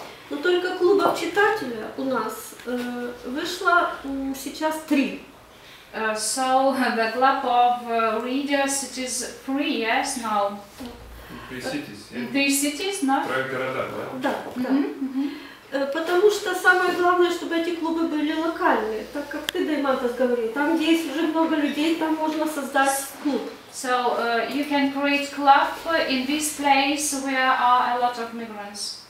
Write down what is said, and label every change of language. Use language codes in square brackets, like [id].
[ru] Но только клубов читателя у нас вышло сейчас три. [en] So the club of readers it is three, yes, now. Three cities, no? [ru] Про города, да? Да, да. Потому что самое главное, чтобы эти клубы были локальные, так как ты, Даймантас, говорил, там, где есть уже много людей, там можно создать клуб. [en] So you can create club in this place where are a lot of migrants.